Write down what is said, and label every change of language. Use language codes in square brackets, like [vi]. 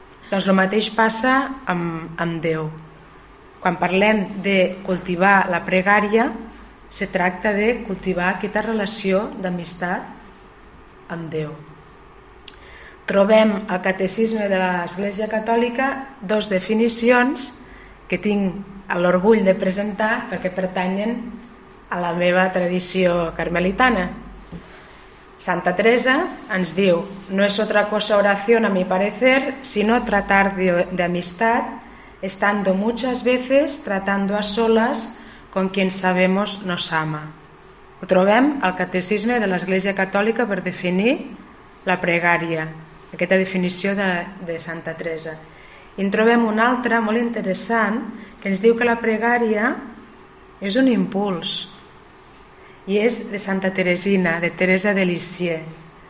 [ca] Doncs el mateix passa amb Déu. Quan parlem de cultivar la pregària, se tracta de cultivar aquesta relació d'amistat amb Déu. Trobem al Catecisme de l'Església Catòlica dos definicions que tinc l'orgull de presentar perquè pertanyen a la meva tradició carmelitana. [es] Santa Teresa [ca] ens diu: [es] no es otra cosa oración, a mi parecer, sino tratar de amistad, estando muchas veces tratando a solas con quien sabemos nos ama. [ca] Ho trobem al Catecisme de l'Església Catòlica per definir la pregària, aquesta definició de Santa Teresa. I en trobem una altra molt interessant, que ens diu que la pregària és un impuls, i és de Santa Teresina, de Teresa de Lisieux.